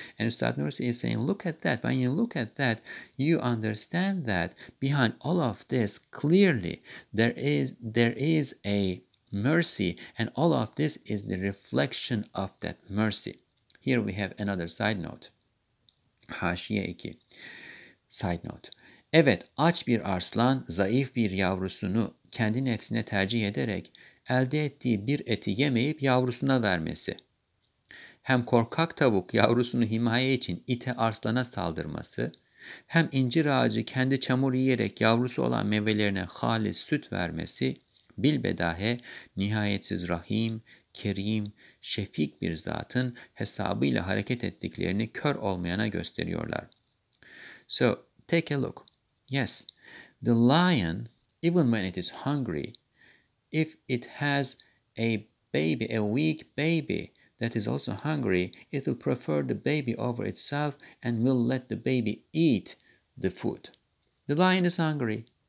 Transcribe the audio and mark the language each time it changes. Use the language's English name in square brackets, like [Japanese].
[English] And Ustad Nursi is saying, look at that. When you look at that, you understand that behind all of this, clearly, there is a mercy, and all of this is the reflection of that mercy. Here we have another side note. [Turkish] Haşiye 2. [English] Side note. [Turkish] Evet, aç bir arslan, zayıf bir yavrusunu kendi nefsine tercih ederek elde ettiği bir eti yemeyip yavrusuna vermesi. Hem korkak tavuk yavrusunu himaye için ite arslana saldırması, hem incir ağacı kendi çamur yiyerek yavrusu olan meyvelerine halis süt vermesi, bilbedahe nihayetsiz rahim, kerim, şefik bir zatın hesabıyla hareket ettiklerini kör olmayana gösteriyorlar. [English] So, take a look. Yes, the lion, even when it is hungry, if it has a baby, a weak baby that is also hungry, it will prefer the baby over itself and will let the baby eat the food. The lion is hungry.